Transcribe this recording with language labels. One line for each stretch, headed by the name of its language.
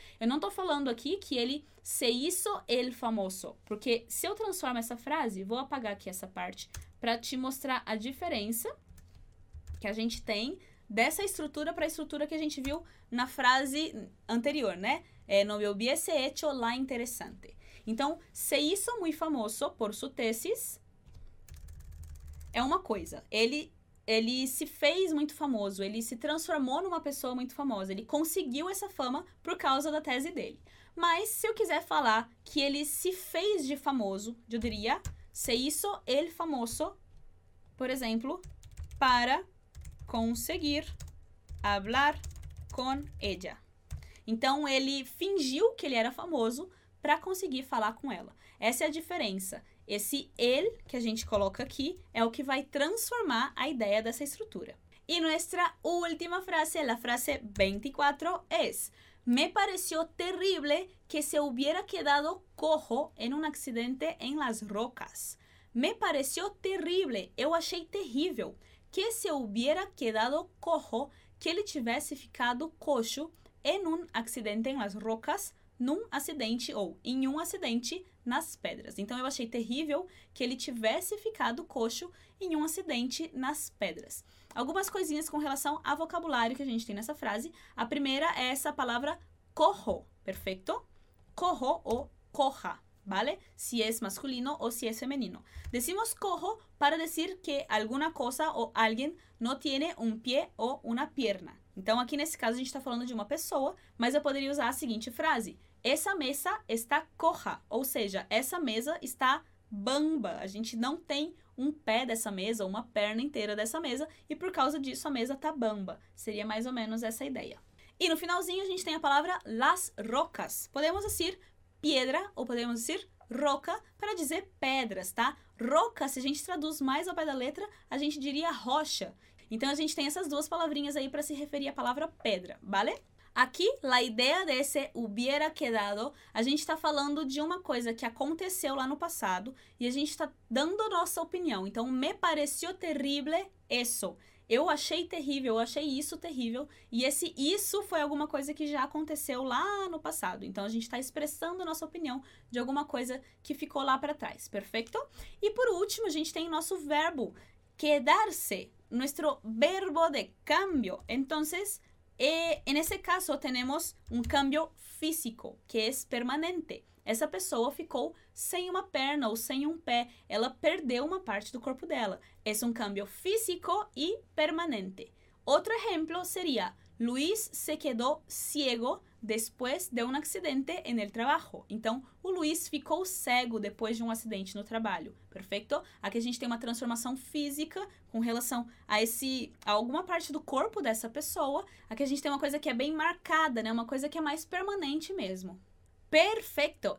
Portuguese: Eu não tô falando aqui que ele
Spanish: se hizo el famoso,
Portuguese: porque se eu transformo essa frase, vou apagar aqui essa parte, para te mostrar a diferença que a gente tem dessa estrutura para a estrutura que a gente viu na frase anterior, né?
Spanish: No me hubiese hecho la interesante.
Portuguese: Então,
Spanish: se hizo muy famoso por su tesis,
Portuguese: é uma coisa. Ele se fez muito famoso, ele se transformou numa pessoa muito famosa, ele conseguiu essa fama por causa da tese dele. Mas, se eu quiser falar que ele se fez de famoso, eu diria
Spanish: se hizo el famoso,
Portuguese: por exemplo,
Spanish: para conseguir hablar con ella.
Portuguese: Então, ele fingiu que ele era famoso para conseguir falar com ela. Essa é a diferença. Esse el que a gente coloca aqui é o que vai transformar a ideia dessa estrutura. E nossa última frase, a frase 24, é:
Spanish: me pareció terrible que se hubiera quedado cojo en un accidente en las rocas. Me pareció terrible,
Portuguese: eu achei terrível,
Spanish: que se hubiera quedado cojo,
Portuguese: que ele tivesse ficado coxo
Spanish: en un accidente en las rocas,
Portuguese: num acidente ou em um acidente nas pedras. Então, eu achei terrível que ele tivesse ficado coxo em um acidente nas pedras. Algumas coisinhas com relação ao vocabulário que a gente tem nessa frase. A primeira é essa palavra cojo, perfeito? Cojo ou coja, vale?
Spanish: Si es masculino o si es femenino. Decimos cojo para decir que alguna cosa o alguien no tiene un pie o una pierna.
Portuguese: Então, aqui nesse caso, a gente está falando de uma pessoa, mas eu poderia usar a seguinte frase. Essa mesa está coja, ou seja, essa mesa está bamba. A gente não tem um pé dessa mesa, uma perna inteira dessa mesa, e por causa disso a mesa está bamba. Seria mais ou menos essa ideia. E no finalzinho a gente tem a palavra las rocas. Podemos dizer piedra ou podemos dizer roca para dizer pedras, tá? Roca, se a gente traduz mais ao pé da letra, a gente diria rocha. Então a gente tem essas duas palavrinhas aí para se referir à palavra pedra, vale? Aqui,
Spanish: la idea de ese hubiera quedado,
Portuguese: a gente está falando de uma coisa que aconteceu lá no passado e a gente está dando nossa opinião. Então,
Spanish: me pareció terrible eso.
Portuguese: Eu achei terrível, eu achei isso terrível. E esse isso foi alguma coisa que já aconteceu lá no passado. Então, a gente está expressando nossa opinião de alguma coisa que ficou lá para trás, perfeito? E por último, a gente tem o nosso verbo quedarse,
Spanish: nuestro verbo de cambio. Então, en ese caso, tenemos un cambio físico, que es permanente.
Portuguese: Essa pessoa ficou sem uma perna ou sem um pé. Ela perdeu uma parte do corpo dela.
Spanish: Es un cambio físico y permanente. Otro ejemplo sería, Luis se quedó ciego después de un accidente en el trabajo.
Portuguese: Então, o Luis ficou cego depois de um acidente no trabalho. Perfeito? Aqui a gente tem uma transformação física com relação a alguma parte do corpo dessa pessoa. Aqui a gente tem uma coisa que é bem marcada, né? Uma coisa que é mais permanente mesmo. Perfeito!